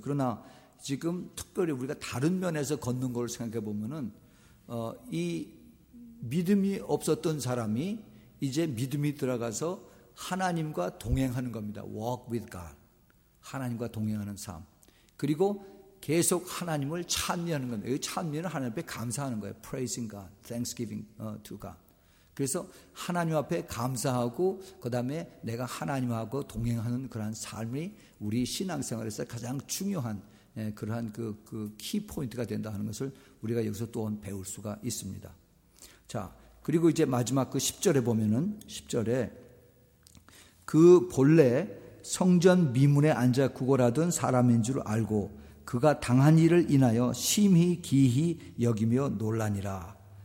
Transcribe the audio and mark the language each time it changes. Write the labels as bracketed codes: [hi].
[ko] 그러나 지금 특별히 우리가 다른 면에서 걷는 걸 생각해 보면은 이 믿음이 없었던 사람이 이제 믿음이 들어가서 하나님과 동행하는 겁니다. [en] Walk with God. [ko] 하나님과 동행하는 삶. 그리고 계속 하나님을 찬미하는 겁니다. 여기 찬미는 하나님 앞에 감사하는 거예요. [en] Praising God, Thanksgiving to God. [ko] 그래서 하나님 앞에 감사하고 그 다음에 내가 하나님하고 동행하는 그러한 삶이 우리 신앙생활에서 가장 중요한 그러한 그 키포인트가 된다 하는 것을 우리가 여기서 또한 배울 수가 있습니다. 자, 그리고 이제 마지막 그 10절에 보면은 10절에 그 본래 성전 미문에 앉아 구걸하던 사람인 줄 알고 그가 당한 일을 인하여 심히 기히 여기며 놀라니라.